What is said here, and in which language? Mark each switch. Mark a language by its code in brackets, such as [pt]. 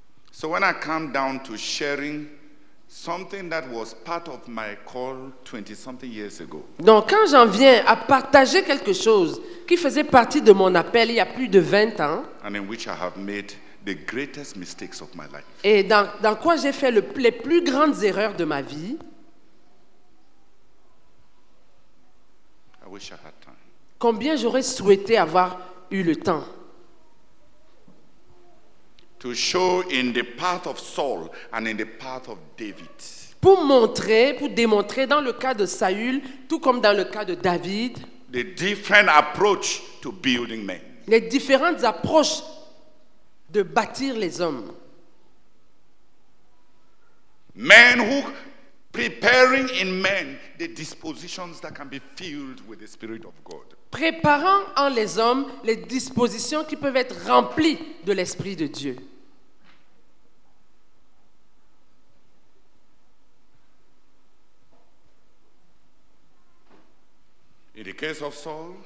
[en] So when I come down to sharing something that was part of my call 20 something years ago. [fr] Donc quand j'en viens à partager quelque chose qui faisait partie de mon appel il y a plus de 20 ans. [en] And in which I have made the greatest mistakes of my life. [fr] Et dans quoi j'ai fait les plus grandes erreurs de ma vie. [en] I wish I had time. [fr] Combien j'aurais souhaité avoir eu le temps. [en] to show in the path of Saul and in the path of David. [fr] Pour montrer, pour démontrer dans le cas de Saül, tout comme dans le cas de David, [en] the different approach to building men. [fr] Les différentes approches de bâtir les hommes. [en] Men who preparing in men the dispositions that can be filled with the Spirit of God. [fr] Préparant en les hommes les dispositions qui peuvent être remplies de l'Esprit de Dieu. [en] In the case of Saul,